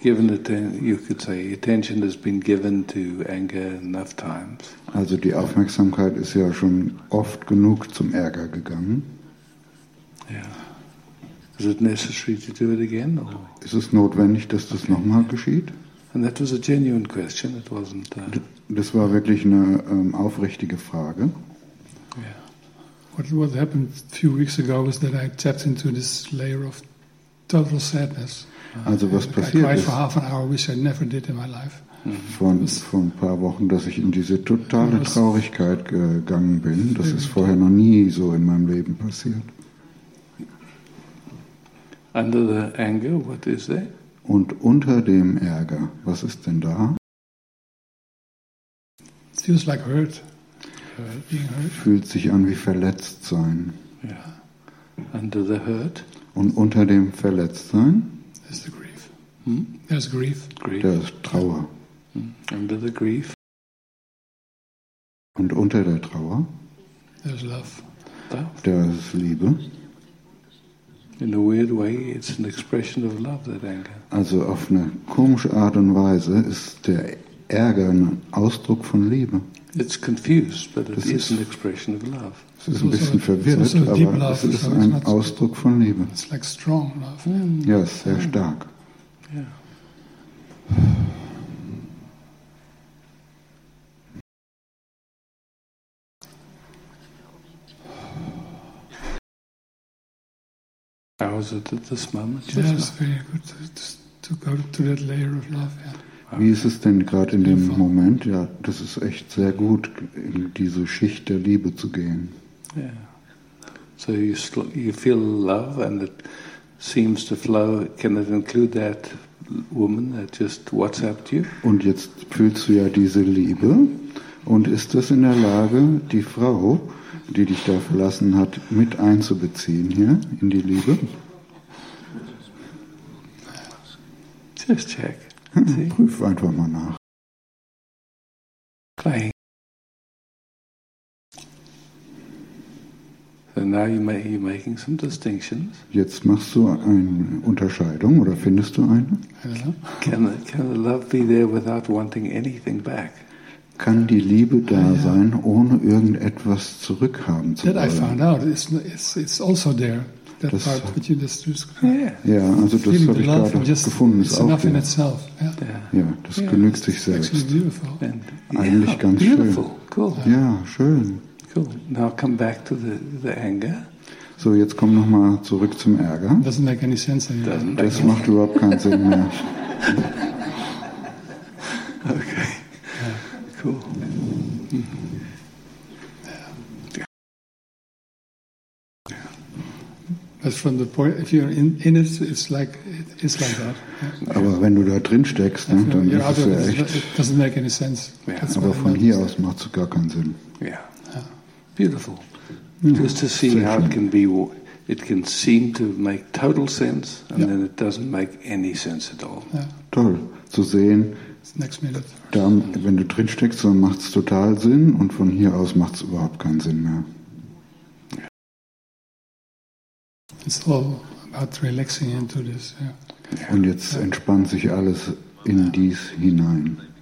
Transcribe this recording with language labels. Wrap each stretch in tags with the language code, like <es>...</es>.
<en>Attention has been given to anger enough times.</en> <de>Also die Aufmerksamkeit ist ja schon oft genug zum Ärger gegangen.</de> <en>Yeah. Is it necessary to do it again? Or?</en> <de>Ist es notwendig, dass das nochmal geschieht?</de> <en>And that was a genuine question. It wasn't.</en> <de>Das war wirklich eine aufrichtige Frage.</de> <en>Yeah. What happened a few weeks ago was that I tapped into this layer of total sadness.</en> <de>Also was passiert ist?</de> <en>I cried for half an hour, which I never did in my life.</en> <de>Vor ein paar Wochen, dass ich in diese totale Traurigkeit gegangen bin. Das ist vorher noch nie so in meinem Leben passiert.</de> <en>Under the anger, what is there?</en> <de>Und unter dem Ärger, was ist denn da?</de> <en>It feels like hurt.</en> <de>Fühlt sich an wie verletzt sein.</de> <en>Yeah. Under the hurt.</en> <de>Und unter dem Verletztsein?</de> <en>There's the grief. There's grief.</en> <de>Da ist Trauer.</de> <en>Under the grief.</en> <de>Und unter der Trauer?</de> <en>There's love.</en> <de>Da ist Liebe.</de> <en>In a weird way, it's an expression of love, that anger.</en> <de>Also auf eine komische Art und Weise ist der Ärger ein Ausdruck von Liebe.</de> <en>It's confused, but it is an expression of love.</en> <de>Es ist ein bisschen verwirrt, aber es ist ein Ausdruck von Liebe.</de> <en>It's like strong love.</en> <de>Ja, es ist sehr stark.</de> <en>How is it at this moment? Yeah, it's very good to go to that layer of love. Yeah.</en> <de>Wie ist es denn gerade in dem Moment? Ja, das ist echt sehr gut, in diese Schicht der Liebe zu gehen.</de> <en>Yeah. So you feel love and it seems to flow. Can it include that woman that just WhatsApped you?</en> <de>Und jetzt fühlst du ja diese Liebe und ist das in der Lage, die Frau, die dich da verlassen hat, mit einzubeziehen hier in die Liebe?</de> <en>Just check.</en> <de>Prüf einfach mal nach.</de> <en>Playing. So now you're making some distinctions.</en> <de>Jetzt machst du eine Unterscheidung oder findest du eine?</de> <en>Can the love be there without wanting anything back?</en> <de>Kann die Liebe da sein, ohne irgendetwas zurückhaben zu wollen?</de> <en>That I found out. It's also there. That das part that you just described.</en> <de>Ja, also das habe ich gerade gefunden.</de> <en>It's enough</en> <de>auch</de> <en>in itself. Yeah.</en> <de>Ja, das genügt sich selbst. Eigentlich ganz</de> <en>beautiful.</en> <de>Schön.</de> <en>Cool.</en> <de>Ja, schön.</de> <en>Cool. Now come back to the anger.</en> <de>So, jetzt komm noch mal zurück zum Ärger.</de> <en>Doesn't make any sense anymore.</en> <de>Das macht überhaupt keinen Sinn mehr.</de> <en>Okay. Cool. But from the point, if you're in it, it's like that. Yeah.</en> <de>Aber wenn du da drin steckst, ne, dann ist es ja echt.</de> <en>It doesn't make any sense. Yeah.</en> <de>Aber von hier aus macht es gar keinen Sinn.</de> <en>Yeah. Yeah. Beautiful. Yeah. Just to see how it can be, it can seem to make total sense, and then it doesn't make any sense at all.</en> <de>Yeah. Toll. Zu sehen,</de> <en>next minute.</en> <de>Dann, wenn du drin steckst, dann macht es total Sinn, und von hier aus macht es überhaupt keinen Sinn mehr.</de> <en>It's all about relaxing into this. Yeah.</en> <de>Und jetzt entspannt sich alles in dies hinein.</de>